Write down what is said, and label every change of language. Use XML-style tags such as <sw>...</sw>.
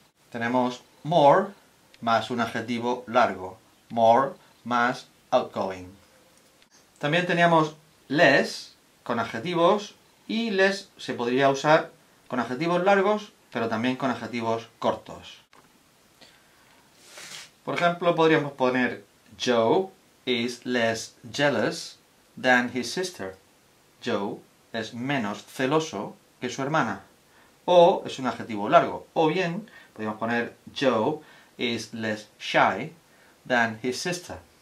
<es>Tenemos more más un adjetivo largo. More más outgoing. También teníamos less con adjetivos y less se podría usar con adjetivos largos, pero también con adjetivos cortos. Por ejemplo, podríamos poner</es> <en>Joe is less jealous than his sister.</en> <es>Joe es menos celoso que su hermana. O es un adjetivo largo. O bien, podríamos poner</es> <en>Joe is less shy than his sister.</en>